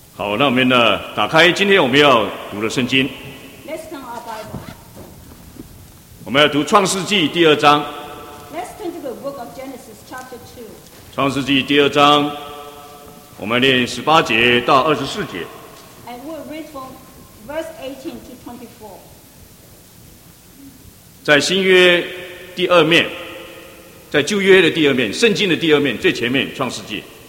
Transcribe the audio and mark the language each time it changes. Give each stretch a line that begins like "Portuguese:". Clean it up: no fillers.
Chinese: 好，那我们呢，打开今天我们要读的圣经。
English: Let's turn our Bible.
Chinese: 我们要读创世纪第二章。
English: Let's turn to the book of Genesis, chapter 2.
Chinese: 创世纪第二章，我们念十八节到二十四节。
English: And we'll read from verse 18 to 24.
Chinese: 在新约第二面，在旧约的第二面，圣经的第二面，最前面，创世纪。